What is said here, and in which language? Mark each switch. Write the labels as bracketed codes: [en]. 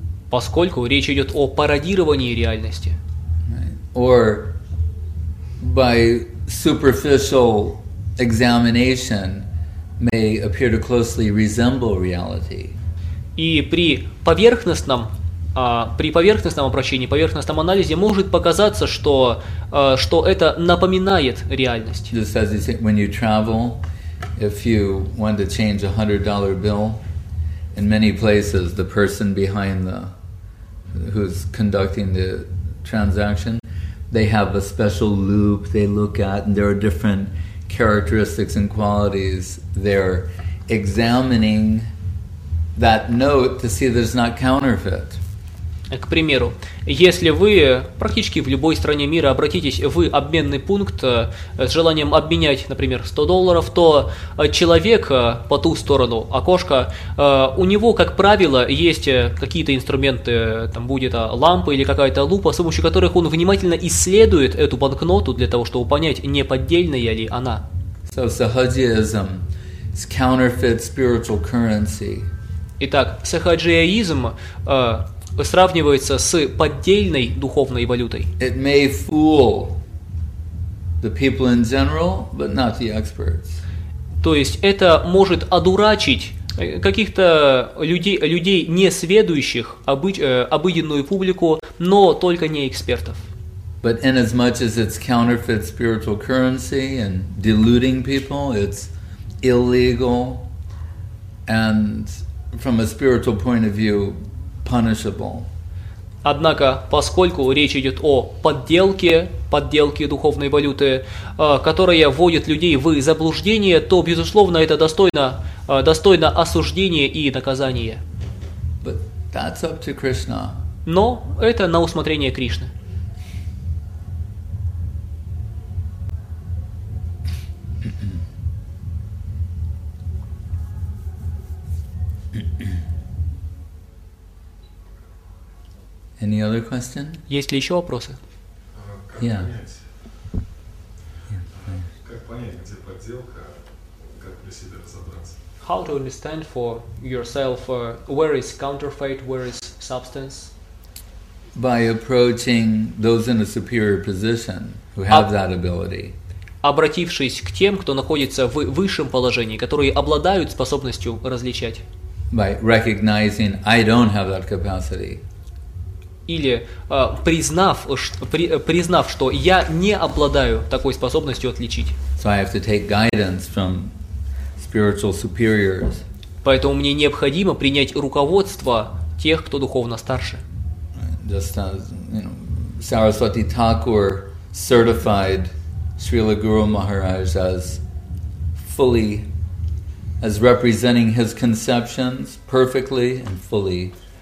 [ru] Поскольку речь идет о пародировании реальности. [en] Right. Or by superficial examination may appear to closely resemble reality. [ru] И при поверхностном обращении, поверхностном анализе может показаться, что, что это напоминает реальность. [en] Just as you say, when you travel, if you want to change a $100 bill, in many places the person behind the who's conducting the transaction, they have a special loop they look at, and there are different characteristics and qualities they're examining that note to see there's not counterfeit. [ru] К примеру, если вы практически в любой стране мира обратитесь в обменный пункт с желанием обменять, например, $100, то человек по ту сторону окошка, у него, как правило, есть какие-то инструменты, там будет лампа или какая-то лупа, с помощью которых он внимательно исследует эту банкноту для того, чтобы понять, не поддельная ли она. [en] So, sahajism is counterfeit spiritual currency. [ru] Итак, сахаджиаизм сравнивается с поддельной духовной валютой. [en] It may fool the people in general, but not the experts. [ru] То есть это может одурачить каких-то людей, людей не сведущих, обыденную публику, но только не экспертов. [en] But inasmuch as it's counterfeit spiritual currency and deluding people, it's illegal and from a spiritual point of view, punishable. [ru] Однако, поскольку речь идет о подделке, подделке духовной валюты, которая вводит людей в заблуждение, то, безусловно, это достойно, достойно осуждения и наказания. [en] But that's up to Krishna. [ru] Но это на усмотрение Кришны. [en] Any other question? [ru] Есть ли еще вопросы? Как понять, где подделка, как для себя разобраться? [en] How to understand for yourself where is counterfeit, where is substance? By approaching those in a superior position who have that ability. [ru] Обратившись к тем, кто находится в высшем положении, которые обладают способностью различать. [en] By recognizing I don't have that capacity. [ru] Или признав, признав, что я не обладаю такой способностью отличить. [en] So I have to take guidance from spiritual superiors. [ru] Поэтому мне необходимо принять руководство тех, кто духовно старше. [en] Just as, you know, Saraswati Thakur certified Srila Guru Maharaj as fully as representing his conceptions perfectly and fully.